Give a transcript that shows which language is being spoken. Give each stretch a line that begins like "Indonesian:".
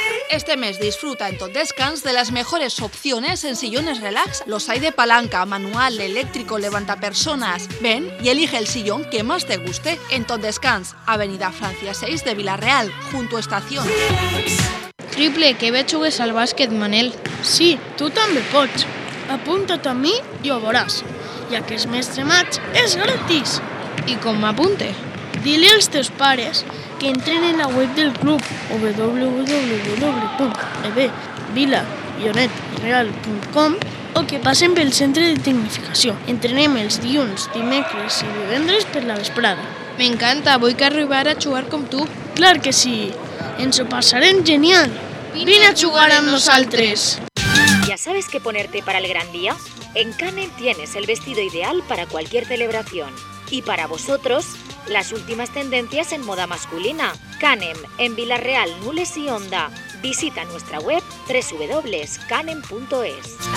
Spanish: Este mes disfruta en Totdescans de las mejores opciones en sillones relax. Los hay de palanca, manual, eléctrico, levantapersonas. Ven y elige el sillón que más te guste en Totdescans, Avenida Francia 6 de Villarreal, junto a estación.
Catalan: Triple, que bé jugues al bàsquet, Manel. Sí, tu també pots. Apunta't a mi i ho veuràs. I aquest mes de maig és gratis. I com m'apunte? Dile als teus pares que entren en la web del club www.evvilarreal.com o que passen pel centre de tecnificació. Entrenem els dilluns, dimecres i divendres per la vesprada. M'encanta, vull que arribar a jugar com tu. Clar que sí, ens ho passarem genial. Vine a jugar amb nosaltres.
Spanish: ¿Ya sabes qué ponerte para el gran día? En Canem tienes el vestido ideal para cualquier celebración. Y para vosotros, las últimas tendencias en moda masculina. Canem, en Villarreal, Nules y Onda. Visita nuestra web www.canem.es.